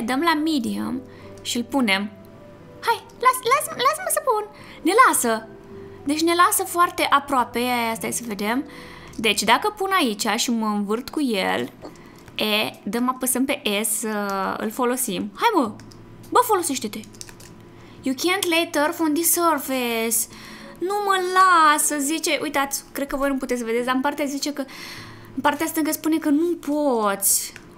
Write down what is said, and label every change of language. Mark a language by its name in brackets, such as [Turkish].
[Romanian] Dăm la medium și îl punem. Hai, las-mă să pun. Ne lasă. Deci ne lasă foarte aproape. Ia, stai să vedem. Deci, dacă pun aici și mă învârt cu el, E, dăm apăsăm pe S, îl folosim. Hai, mă! Bă, folosește-te! [English] You can't lay turf on this surface! [Romanian] Nu mă lasă, zice... Uitați, cred că voi nu puteți să vedeți, dar în partea zice că... În partea stângă spune că nu poți.